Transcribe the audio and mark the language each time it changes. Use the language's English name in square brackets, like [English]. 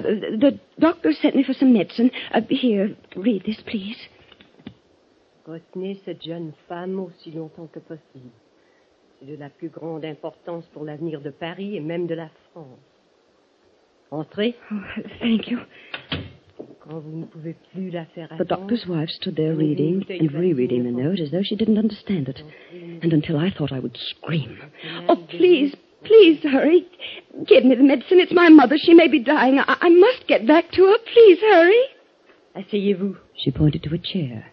[English] The doctor sent me for some medicine. Here, read this, please. [French] Retenez cette jeune femme aussi longtemps que possible. C'est de la plus grande importance pour l'avenir de Paris et même de la France. Entrez. [English] Oh, thank you. [French] Quand vous ne pouvez plus la faire attendre. [English] The doctor's wife stood there reading and rereading the note as though she didn't understand it. And until I thought I would scream. Oh, please, please hurry. Give me the medicine. It's my mother. She may be dying. I must get back to her. Please hurry. [French] Asseyez-vous. [English] She pointed to a chair.